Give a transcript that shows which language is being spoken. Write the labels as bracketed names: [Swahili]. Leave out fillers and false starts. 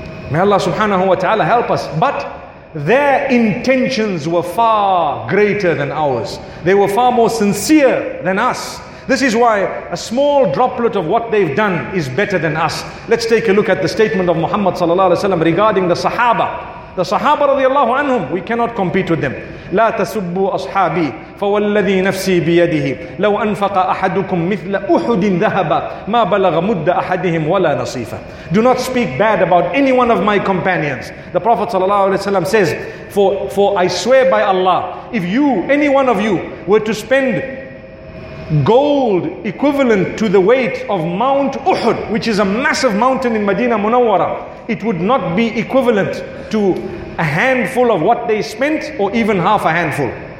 [English] May Allah subhanahu wa ta'ala help us. But their intentions were far greater than ours. They were far more sincere than us. This is why a small droplet of what they've done is better than us. Let's take a look at the statement of Muhammad sallallahu alaihi wasallam regarding the Sahaba. The Sahaba radiallahu anhum, we cannot compete with them. [Arabic] لا تسبوا أصحابي فوالذي نفسي بيده لو أنفق أحدكم مثل أحد ذهبا ما بلغ مد أحدهم ولا نصيفة. [English] Do not speak bad about any one of my companions. The Prophet sallallahu alaihi wasallam says, for I swear by Allah, if you, any one of you, were to spend gold equivalent to the weight of Mount Uhud, which is a massive mountain in Medina Munawwara, it would not be equivalent to a handful of what they spent, or even half a handful.